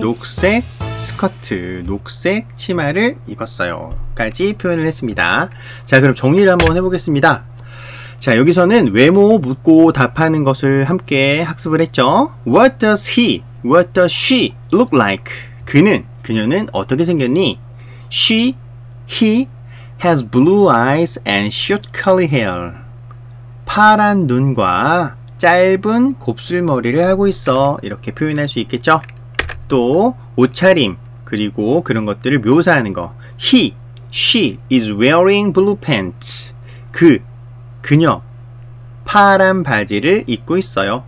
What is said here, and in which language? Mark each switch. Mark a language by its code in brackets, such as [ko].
[ko] 녹색 스커트, 녹색 치마를 입었어요. 까지 표현을 했습니다. 자, 그럼 정리를 한번 해보겠습니다. 자, 여기서는 외모 묻고 답하는 것을 함께 학습을 했죠. [en] What does he, what does she look like? [ko] 그는, 그녀는 어떻게 생겼니? [en] She, he has blue eyes and short curly hair. [ko] 파란 눈과 짧은 곱슬머리를 하고 있어. 이렇게 표현할 수 있겠죠. 또 옷차림 그리고 그런 것들을 묘사하는 거. [en] He, she is wearing blue pants. [ko] 그녀 파란 바지를 입고 있어요.